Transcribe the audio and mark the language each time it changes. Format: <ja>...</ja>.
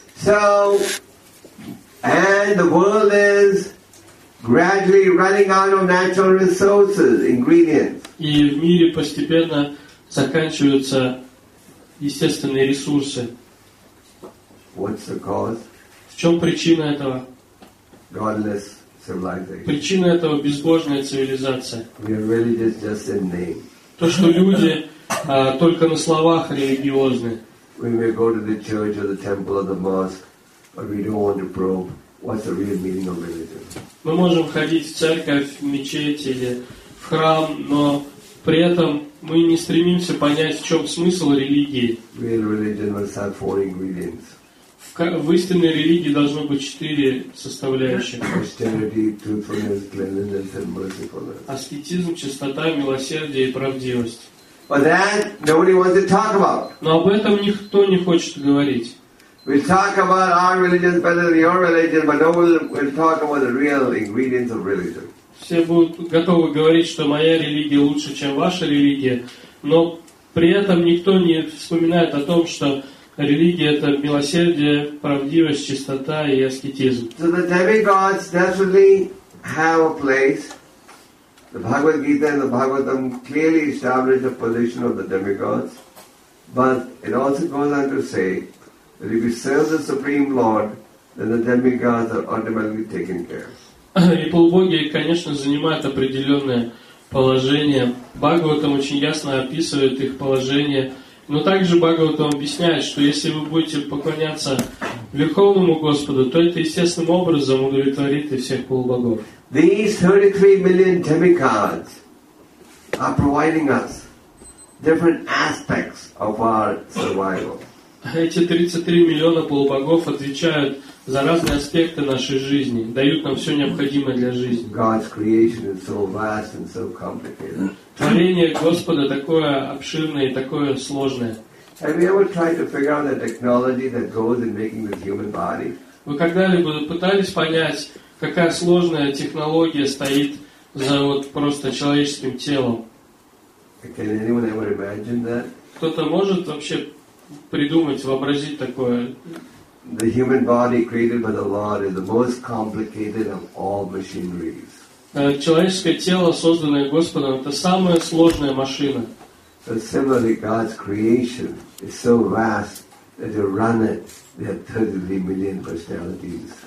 <en>So, and the world is gradually running out of natural resources, ingredients.</en> <ru>И в мире постепенно заканчиваются естественные ресурсы.</ru> <en>What's the cause?</en> <ru>В чем причина этого?</ru> <en>Godless civilization.</en> <ru>Причина этого безбожная цивилизация.</ru> <en>We are religious just in name.</en> <ru>То, что люди только на словах религиозны.</ru> <en>We may go to the church or the temple or the mosque, but we don't want to probe what's the real meaning of religion.</en> <ru>Мы можем ходить в церковь, в мечеть или в храм, но при этом мы не стремимся понять, в чем смысл религии.</ru> <en>Real religion must have four ingredients.</en> <ru>В истинной религии должно быть 4 составляющих.</ru> <en>Austerity, truthfulness, cleanliness and mercifulness.</en> <ru>Аскетизм, чистота, милосердие и правдивость.</ru> <en>But that nobody wants to talk about.</en> <ru>Но об этом никто не хочет говорить.</ru> <en>We'll talk about our religion better than your religion, but no, we'll talk about the real ingredients of religion.</en> <ru>Все будут готовы говорить, что моя религия лучше, чем ваша религия, но при этом никто не вспоминает о том, что религия — это милосердие, правдивость, чистота и аскетизм.</ru> <en>So the demigods definitely have a place. The Bhagavad Gita and the Bhagavatam clearly establish the position of the demigods. But it also goes on to say that if you serve the Supreme Lord, then the demigods are automatically taken care of.</en> <ru>И полубоги, конечно, занимают определенное положение. Бхагаватам очень ясно описывает их положение. Но также Бхагаватам объясняет, что если вы будете поклоняться Верховному Господу, то это естественным образом удовлетворит и всех полубогов.</ru> <en>These 33 million demigods are providing us different aspects of our survival.</en> <ru>Эти 33 миллиона полубогов отвечают за разные аспекты нашей жизни, дают нам все необходимое для жизни.</ru> <en>God's creation is so vast and so complicated.</en> <ru>Творение Господа такое обширное и такое сложное.</ru> <en>Have you ever tried to figure out the technology that goes in making this human body?</en> <ru>Вы когда-либо пытались понять, какая сложная технология стоит за вот просто человеческим телом?</ru> <en>Can anyone ever imagine that?</en> <ru>Кто-то может вообще придумать, вообразить такое?</ru> <en>The human body created by the Lord is the most complicated of all machineries.</en> <ru>Человеческое тело, созданное Господом, это самая сложная машина.</ru> <en>So similarly, God's creation is so vast that to run it, there are 33 million personalities.</en>